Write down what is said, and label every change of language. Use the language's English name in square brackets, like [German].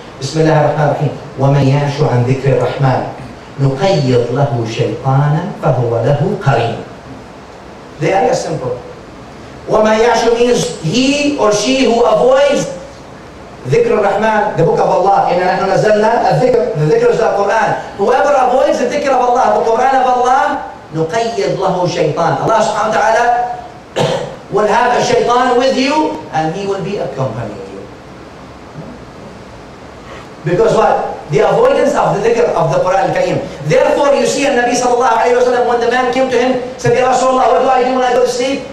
[Arabic] Bismillah ar-Rahman ar-Rahim. وَمَنْ يَعْشُ عَنْ ذِكْرِ الرَّحْمَانِ نُقَيِّضْ لَهُ شَيْطَانًا فَهُوَ لَهُ قَرِينٌ. [English] The ayah is simple. [Arabic] وَمَنْ يَعْشُ [English] means he or she who avoids [Arabic] ذِكْرِ الرَّحْمَانِ, [English] the book of Allah. [Arabic] إِنَّا نَحْنُ نَزَلْنَا الذِّكْرِ, the ذِكْرِ [English] is the Quran. Whoever avoids the ذِكْرِ of Allah, the Quran of Allah, [Arabic] نُقَيِّضْ لَهُ شَيْطَانًا. [English] Allah subhanahu wa ta'ala will have a shaytan with you and he will be accompanying you. Because what? The avoidance of the dhikr of the Quran al-Kareem. Therefore you see Nabi sallallahu alayhi wa sallam, when the man came to him, said, Ya Rasulullah, what do I do when I go to sleep?